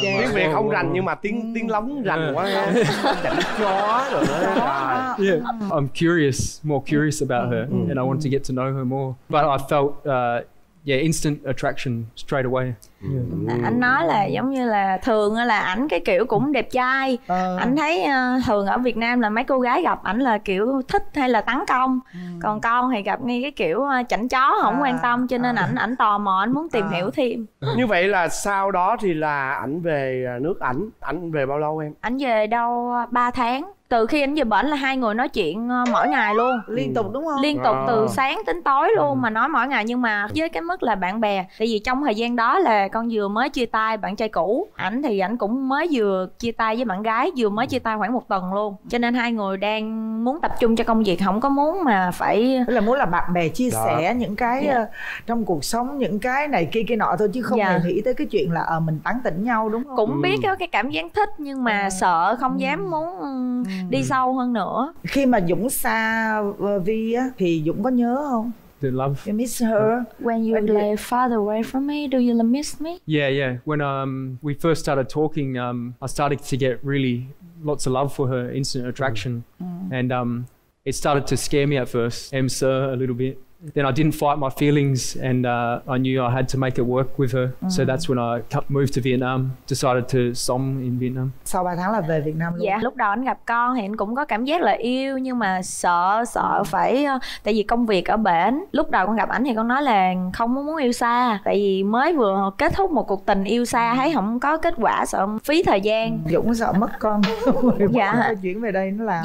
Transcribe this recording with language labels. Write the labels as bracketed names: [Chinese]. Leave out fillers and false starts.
[Vietnamese] Tiếng Việt không rành nhưng mà tiếng lóng rành quá. Chân chó rồi. [English] I'm curious about her and I want to get to know her more, but I felt yeah, instant attraction straight away. [Vietnamese] Anh nói là giống như là thường là ảnh cái kiểu cũng đẹp trai. Anh thấy thường ở Việt Nam là mấy cô gái gặp ảnh là kiểu thích hay là tấn công. Còn con thì gặp ngay cái kiểu chảnh chó không quan tâm, cho nên ảnh tò mò, ảnh muốn tìm hiểu thêm. Như vậy là sau đó thì là ảnh về nước ảnh. Ảnh về bao lâu em? Ảnh về đâu 3 tháng. Từ khi anh về bển là hai người nói chuyện mỗi ngày luôn. Liên tục đúng không? Liên tục từ sáng tới tối luôn mà nói mỗi ngày. Nhưng mà với cái mức là bạn bè, tại vì trong thời gian đó là con vừa mới chia tay bạn trai cũ. Ảnh thì ảnh cũng mới vừa chia tay với bạn gái, vừa mới chia tay khoảng một tuần luôn. Cho nên hai người đang muốn tập trung cho công việc, không có muốn mà phải... là muốn là bạn bè chia sẻ những cái trong cuộc sống, những cái này kia kia nọ thôi, chứ không hề nghĩ tới cái chuyện là mình tán tỉnh nhau đúng không? Cũng biết cái cảm giác thích nhưng mà sợ không dám muốn... đi sâu hơn nữa. Khi mà Dũng xa Vi á thì Dũng có nhớ không? [English] Did love. You miss her. When you lay like farther away from me, do you miss me? Yeah, yeah. When we first started talking, I started to get really lots of love for her, instant attraction. And it started to scare me at first, a little bit. Then I didn't fight my feelings and I knew I had to make it work with her. So that's when I moved to Vietnam, decided to sống in Vietnam. [Vietnamese] Sau 3 tháng là về Việt Nam luôn. Dạ, lúc đó anh gặp con thì anh cũng có cảm giác là yêu nhưng mà sợ phải tại vì công việc ở bển. Lúc đầu con gặp ảnh thì con nói là không muốn yêu xa, tại vì mới vừa kết thúc một cuộc tình yêu xa thấy không có kết quả, sợ phí thời gian. Dũng sợ mất con. Dạ. Chuyển về đây nó làm.